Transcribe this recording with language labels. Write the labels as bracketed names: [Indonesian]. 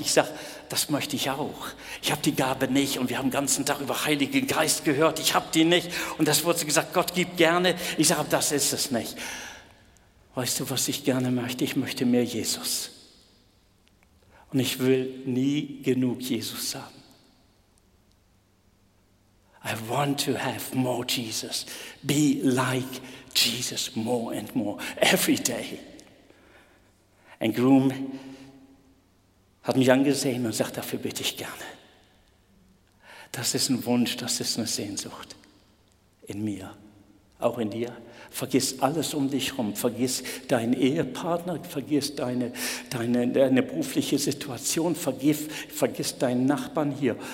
[German] Ich sage, das möchte ich auch. Ich habe die Gabe nicht und wir haben den ganzen Tag über Heiligen Geist gehört. Ich habe die nicht. Und das wurde gesagt, Gott gibt gerne. Ich sage, das ist es nicht. Weißt du, was ich gerne möchte? Ich möchte mehr Jesus. Und ich will nie genug Jesus haben. [English] I want to have more Jesus. Be like Jesus more and more every day. [German] Ein Groom hat mich angesehen und sagt, dafür bitte ich gerne. Das ist ein Wunsch, das ist eine Sehnsucht in mir, auch in dir. Vergiss alles um dich herum, vergiss deinen Ehepartner, vergiss deine berufliche Situation, vergiss deinen Nachbarn hier.